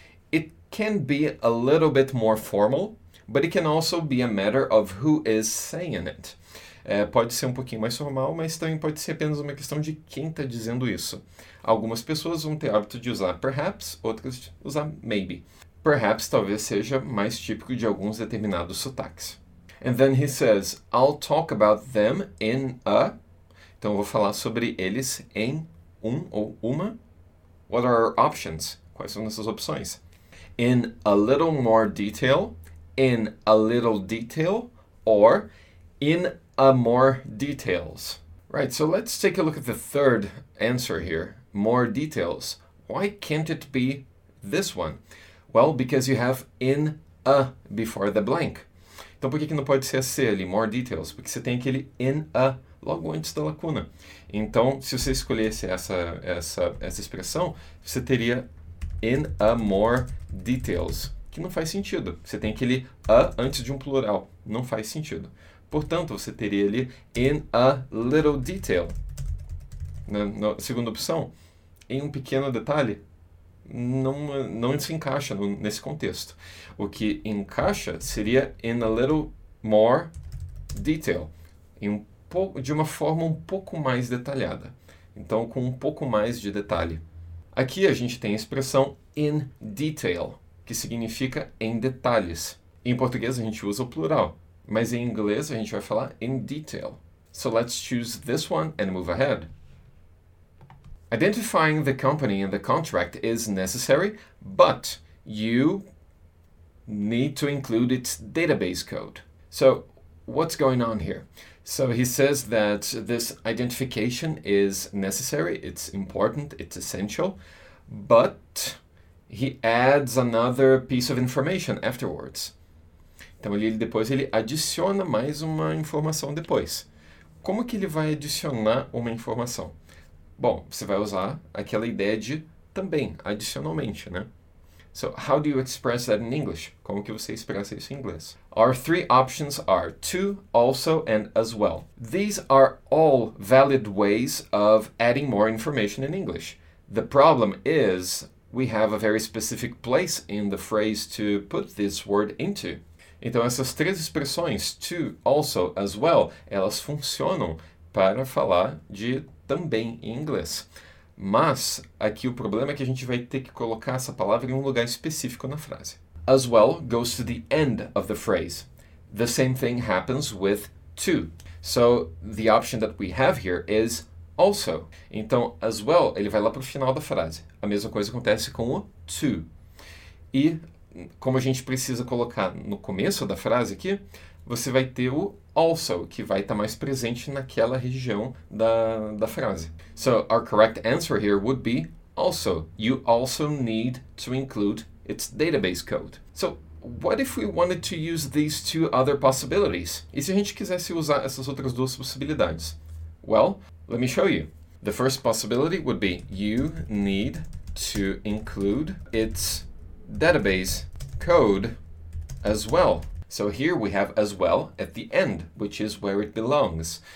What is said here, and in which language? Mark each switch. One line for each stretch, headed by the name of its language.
English: It can be a little bit more formal, but it can also be a matter of who is saying it.
Portuguese: Pode ser um pouquinho mais formal, mas também pode ser apenas uma questão de quem está dizendo isso. Algumas pessoas vão ter hábito de usar perhaps, outras usar maybe. Perhaps talvez seja mais típico de alguns determinados sotaques.
English: And then he says, I'll talk about them in a...
Portuguese: Então eu vou falar sobre eles em um ou uma.
English: What are our options?
Portuguese: Quais são essas opções?
English: In a little more detail, in a little detail, or in a more details. Right, so let's take a look at the third answer here. More details. Why can't it be this one? Well, because you have in a before the blank.
Portuguese: Então, por que não pode ser assim ali,
English: more details?
Portuguese: Porque você tem aquele in a logo antes da lacuna. Então, se você escolhesse essa expressão, você teria
English: in a more details,
Portuguese: que não faz sentido. Você tem aquele a antes de um plural. Não faz sentido. Portanto, você teria ali
English: in a little detail.
Portuguese: Na segunda opção, em um pequeno detalhe, não se encaixa nesse contexto. O que encaixa seria
English: in a little more detail.
Portuguese: De uma forma um pouco mais detalhada. Então, com um pouco mais de detalhe. Aqui a gente tem a expressão
English: in detail,
Portuguese: que significa em detalhes. Em português, a gente usa o plural. Mas em inglês a gente vai falar
English: in detail. So let's choose this one and move ahead. Identifying the company and the contract is necessary, but you need to include its database code. So what's going on here? So he says that this identification is necessary, it's important, it's essential, but he adds another piece of information afterwards.
Portuguese: Então, ele adiciona mais uma informação depois. Como que ele vai adicionar uma informação? Bom, você vai usar aquela ideia de também, adicionalmente, né?
English: So, how do you express that in English?
Portuguese: Como que você expressa isso em inglês?
English: Our three options are to, also, and as well. These are all valid ways of adding more information in English. The problem is we have a very specific place in the phrase to put this word into.
Portuguese: Então, essas três expressões, to, also, as well, elas funcionam para falar de também em inglês. Mas, aqui o problema é que a gente vai ter que colocar essa palavra em um lugar específico na frase.
English: As well goes to the end of the phrase. The same thing happens with to. So, the option that we have here is also.
Portuguese: Então, as well, ele vai lá para o final da frase. A mesma coisa acontece com o to. E... como a gente precisa colocar no começo da frase aqui, você vai ter o also, que vai estar mais presente naquela região da frase.
English: So, our correct answer here would be also. You also need to include its database code. So, What if we wanted to use these two other possibilities?
Portuguese: E se a gente quisesse usar essas outras duas possibilidades?
English: Well, let me show you. The first possibility would be you need to include its database code as well. So here we have as well at the end, which is where it belongs.